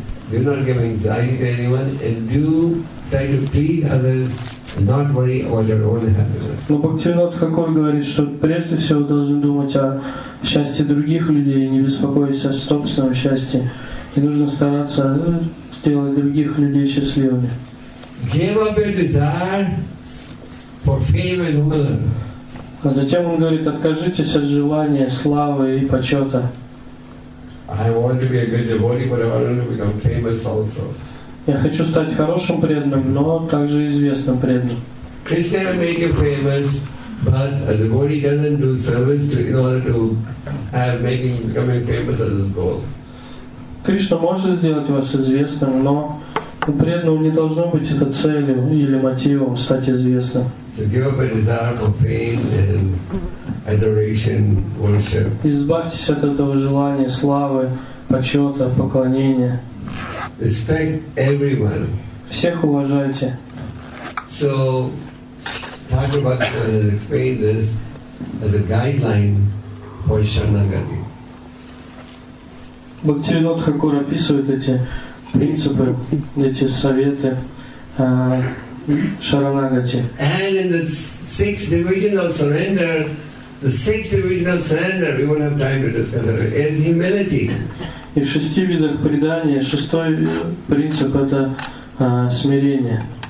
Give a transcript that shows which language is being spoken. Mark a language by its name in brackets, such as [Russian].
[English] Do not give anxiety to anyone and do try to please others and not worry about your own happiness. [Russian] Но Бхактивинода Тхакур говорит, что прежде всего должен думать о счастье других людей, не беспокоиться о собственном счастье. И нужно стараться сделать других людей счастливыми. [English] Give up your desire for fame and honor. [Russian] А затем он говорит, откажитесь от желания славы и почета. [English] I want to be a good devotee, but I want to become famous also. [Russian] Я хочу стать хорошим преданным, но также известным преданным. [English] Krishna will make you famous, but a devotee doesn't do service to, in order to have making becoming famous as his goal. [Russian] Кришна может сделать вас известным, но у преданного не должно быть это целью или мотивом стать известным. [English] So give up a desire for fame and adoration, worship. [Russian] Избавьтесь от этого желания славы, почета, поклонения. [English] Respect everyone. [Russian] Всех уважайте. [English] So, Thakur Bhaktivinoda has explained this as a guideline for Sharanagati. [Russian] Бхактивинода Тхакур описывает эти принципы, эти советы Шаранагати. [English] And in the six divisions of surrender, the six divisions of surrender, we won't have time to discuss it, is humility. [Russian] И в шести видах предания шестой принцип – это смирение.